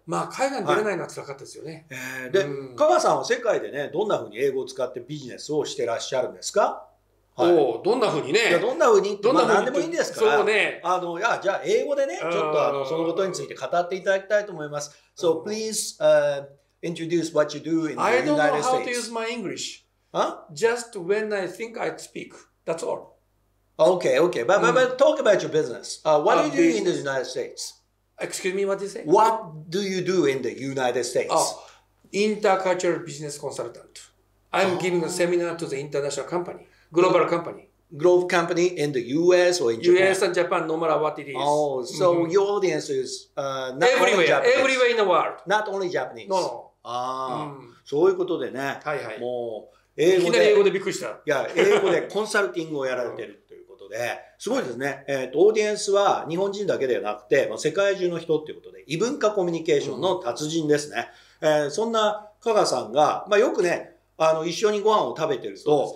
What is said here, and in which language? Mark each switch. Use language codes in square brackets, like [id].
[ja] まあ海外に出れないのは辛かったですよね。はい、で、香川さんは世界でね、どんな風に英語を使ってビジネスをしてらっしゃるんですか？はい、おお、どんな風にね。どんな風にって、まあ何でもいいんですから。そうね。いや、じゃあ英語でね、ちょっとそのことについて語っていただきたいと思います。 [en] So please, introduce what you do in the United States. I don't know how to use my English. Huh? Just when I think I speak. That's all. Okay, okay. But talk about your business. What do you do in the United States? Excuse me, what did you say? What do you do in the United States? Intercultural business consultant. I'm giving a seminar to the international company, global company. Global company in the US or in Japan? US and Japan, no matter what it is. Oh, so your audience is not everywhere, only Japanese. Everywhere in the world. Not only Japanese. No. [ja] そういうことでね。はいはい。もう英語で。いきなり英語でびっくりした。いや、英語でコンサルティングをやられてる。すごいですね、オーディエンスは日本人だけではなくて、まあ、世界中の人ということで異文化コミュニケーションの達人ですね、そんな香川さんが、まあ、よくね一緒にご飯を食べてると、